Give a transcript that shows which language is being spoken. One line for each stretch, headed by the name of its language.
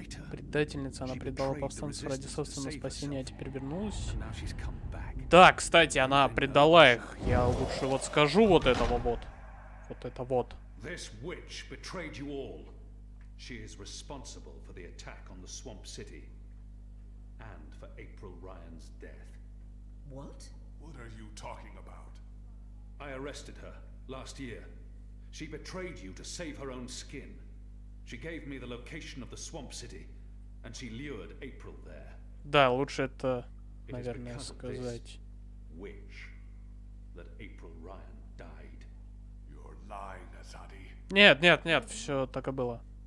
Russian: Предательница, она предала повстанцев ради собственного спасения, а теперь вернулась. Да, кстати, она предала их. Я лучше вот скажу вот этого вот. Вот это вот.
English: This witch betrayed you all. She is responsible for the attack on the Swamp City and for April Ryan's death. What? What are you talking about? I arrested her last year. She betrayed you to save her own skin. She gave me the location of the Swamp City, and she lured April there.
Russian: Да, лучше это, наверное, сказать.
English: Witch that April Ryan died. You're lying, Azadi.
Russian: Нет, нет, нет, все так и было.